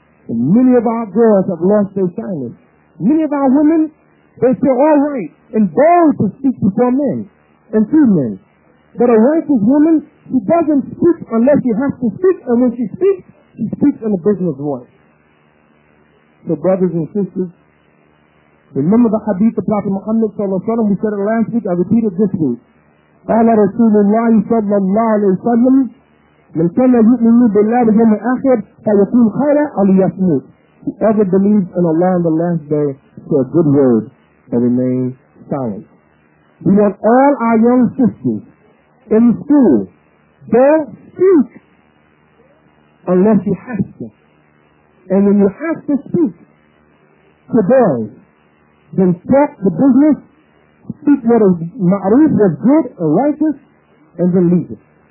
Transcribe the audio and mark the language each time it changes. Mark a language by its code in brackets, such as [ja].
[en] And many of our girls have lost their shyness. Many of our women, they feel all right and bold to speak before men and to men. But a righteous woman, she doesn't speak unless she has to speak. And when she speaks in a business voice. So brothers and sisters, remember the hadith of Prophet Muhammad sallallahu alaihi wasallam. We said it last week, I repeat it this week. [ar] Qala Rasulullah sallallahu alaihi wasallam, من كان يؤمن بالله واليوم الآخر فيكون خيرا أو ليصمت. [en] Whoever believes in Allah on the last day, say a good word and remain silent. We want all our young sisters in school, don't speak unless you have to. And when you have to speak to boys, then talk the business, speak what is ma'ruf, what is good and righteous, and then leave it.